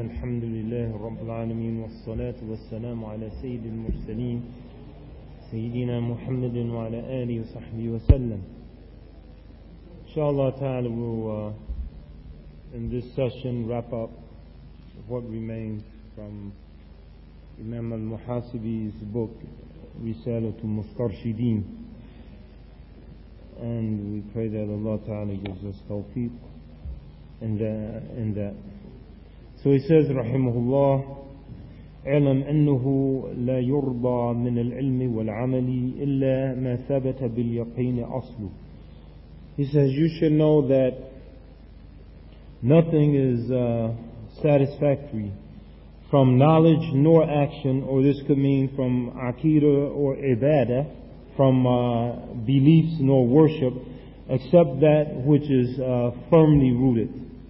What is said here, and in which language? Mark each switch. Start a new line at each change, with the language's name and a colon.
Arabic: الحمد لله رب العالمين، والصلاة والسلام على سيد المرسلين سيدنا محمد وعلى آله وصحبه وسلم. إن شاء الله تعالى
English: in this session wrap up what remains from Imam al-Muhasibi's book رسالة المسترشدين. And we pray that Allah Ta'ala gives us tawfiq in that. So he says, Rahimahullah,
Arabic: علم أنه لا يرضى من العلم والعمل إلا ما ثبت باليقين أصله.
English: He says, you should know that nothing is satisfactory from knowledge nor action, or this could mean from aqidah or ibadah, from beliefs nor worship, except that which is firmly rooted.